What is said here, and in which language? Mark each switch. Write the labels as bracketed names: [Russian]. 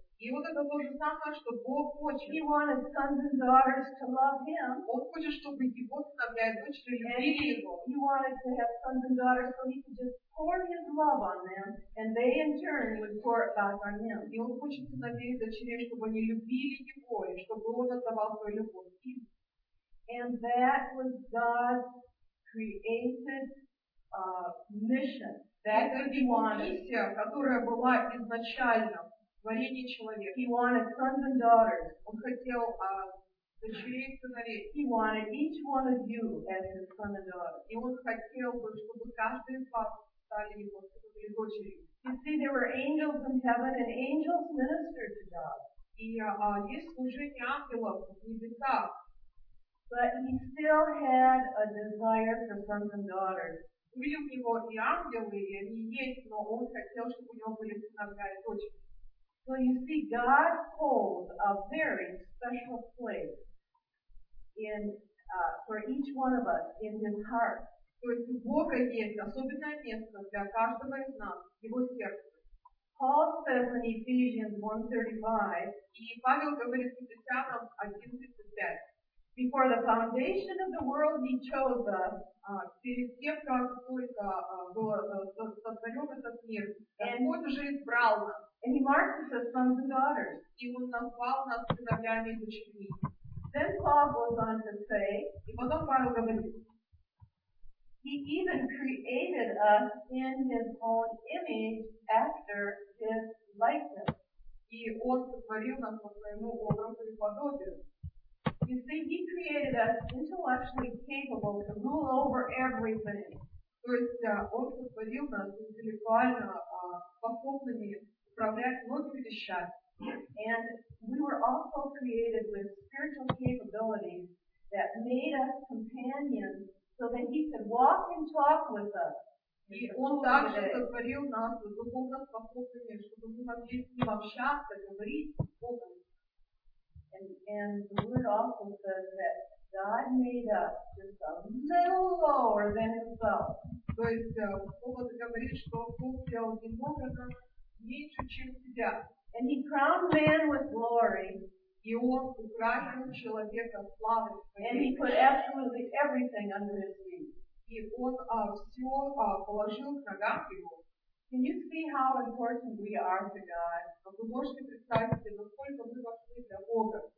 [Russian] И вот это то же самое, что Бог хочет. [English] He wanted sons and daughters to love him. [Russian] Он хочет, чтобы его сыновья и дочери любили его. [English] He wanted to have sons and daughters so he could just pour his love on them, and they in turn would pour it back on him. [Russian] И он хочет сыновей и дочерей, чтобы они любили его, и чтобы он отдавал свою любовь им. [English] And that was God's created mission. That was his [Russian] миссия, которая была изначально. [English] He wanted sons and daughters. [Russian] Он хотел дочерей и сыновей. [English] He wanted each one of you as his son and daughter. [Russian] И он хотел бы, чтобы каждый из вас стали его сыновьями и дочерями. [English] You see, there were angels in heaven, and angels ministered to God. [Russian] И есть служение ангелов в небесах. [English] But he still had a desire for sons and daughters. [Russian] Были у него и ангелы, и они есть, но он хотел, чтобы у него были сыновья и дочери. [English] So you see, God holds a very special place in for each one of us in His heart. [Russian] То есть у Бога есть особенное место для каждого из нас, Его сердце. [English] Paul says in Ephesians 1:35. [Russian] И Павел говорит в Ефесянам 1:35. [English] Before the foundation of the world, He chose us. [Russian] Перед тем, как только был сотворен этот мир, Он уже избрал нас. [English] And He marked us as sons and daughters. [Russian] И Он назвал нас сыновьями и дочерьми. [English] Then Paul goes on to say, [Russian] и потом Павел говорит, [English] He even created us in His own image after His likeness. [Russian] И Он сотворил нас по своему образу и подобию. [English] You see, He created us intellectually capable to rule over everything. [Russian] То есть Он сотворил нас интеллектуально способными управлять многими вещами. [English] And we were also created with spiritual capabilities that made us companions so that He could walk and talk with us. [Russian] И Он также сотворил нас духовно способными, чтобы мы могли с Ним общаться, говорить с Богом. [English] And the word also says that God made us just a little lower than Himself. [Russian] То есть Бог говорит, что Бог сделал немного нас меньше, чем себя. [English] And He crowned man with glory. [Russian] И Он украсил человека славой. [English] And He put absolutely everything under His feet. [Russian] И Он все положил к ногам Его. [English] Can you see how important we are to God? [Russian] Вы можете представить себе, насколько мы важны для Бога?